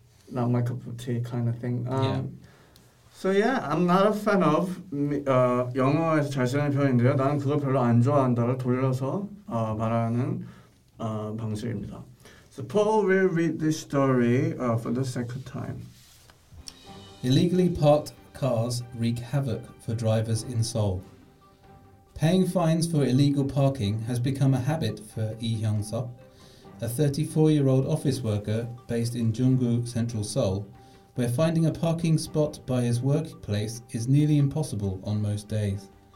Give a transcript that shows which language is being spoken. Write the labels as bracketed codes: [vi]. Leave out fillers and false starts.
[en] Not my cup of tea kind of thing. So yeah, I'm not a fan of [ko] 영어에서 잘 쓰는 표현인데요. 나는 그걸 별로 안 좋아한다를 돌려서 말하는 방식입니다. [en] So Paul will read this story for the second time. Illegally parked cars wreak havoc for drivers in Seoul. Paying fines for illegal parking has become a habit for Lee Hyung-seok, a 34-year-old office worker based in Junggu, central Seoul, where finding a parking spot by his workplace is nearly impossible on most days.